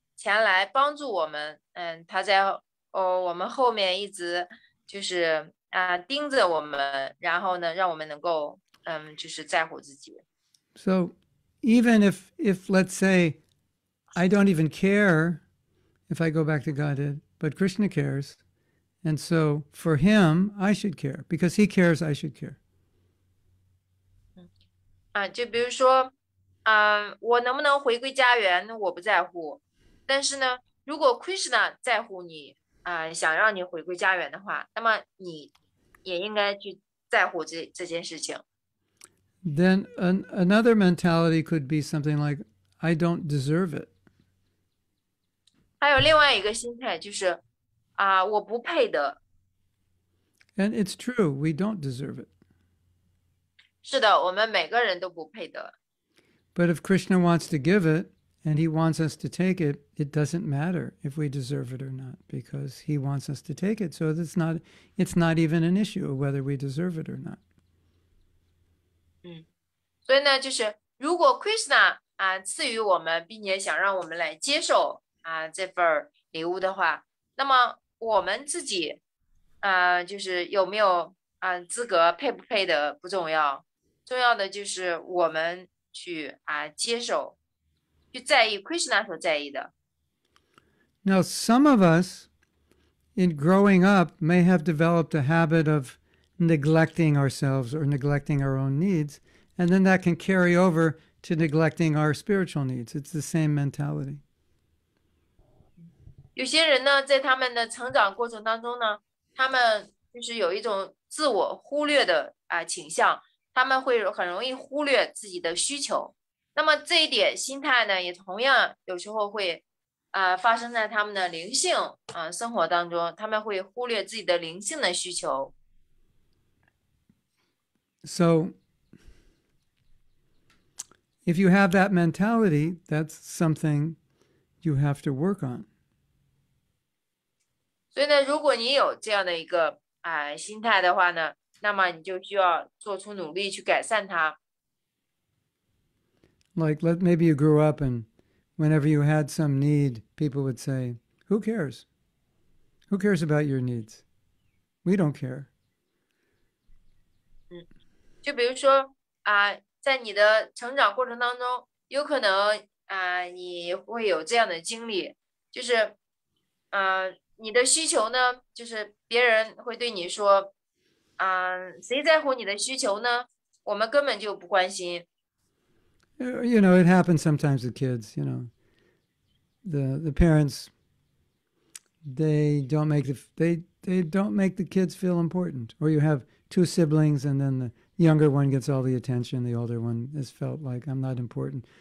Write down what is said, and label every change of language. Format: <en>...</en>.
<zh>前来帮助我们，他在我们后面一直就是盯着我们，然后呢，让我们能够就是在乎自己。</zh> <en>So, even if let's say I don't even care if I go back to Godhead, but Krishna cares, and so for him I should care because he cares, I should care.</en> <zh>就比如说，我能不能回归家园，我不在乎。但是呢，如果 Krishna 在乎你，想让你回归家园的话，那么你也应该去在乎这件事情。</zh> <en>Then another mentality could be something like, I don't deserve it.</en> <zh>还有另外一个心态就是，我不配的。</zh> <en>And it's true, we don't deserve it.</en> <zh>是的，我们每个人都不配的。</zh> <en>But if Krishna wants to give it, and he wants us to take it, it doesn't matter if we deserve it or not, because he wants us to take it. So it's not even an issue whether we deserve it or not.</en> <zh>所以呢，就是如果 Krishna 赐予我们，并且想让我们来接受这份礼物的话，那么我们自己就是有没有资格配不配的不重要，重要的就是我们去接受，去在意 Krishna 所在意的。</zh> <en>Now some of us in growing up may have developed a habit of neglecting ourselves or neglecting our own needs. And then that can carry over to neglecting our spiritual needs. It's the same mentality.</en> <zh>有些人呢，在他们的成长过程当中呢，他们就是有一种自我忽略的倾向，他们会很容易忽略自己的需求。那么这一点心态呢，也同样有时候会发生在他们的灵性生活当中，他们会忽略自己的灵性的需求。</zh> <en>So,If you have that mentality, that's something you have to work on.</en> <zh>所以呢，如果你有这样的一个心态的话呢，那么你就需要做出努力去改善它。</zh> <en>Like, maybe you grew up and whenever you had some need, people would say, "Who cares? Who cares about your needs? We don't care."</en> <zh>就比如说在你的成长过程当中，有可能你会有这样的经历，就是你的需求呢，就是别人会对你说谁在乎你的需求呢？我们根本就不关心。</zh> <en>You know, it happens sometimes with kids, you know. The parents, they don't make the kids feel important. Or you have two siblings and then younger one gets all the attention, the older one is felt like I'm not important.</en>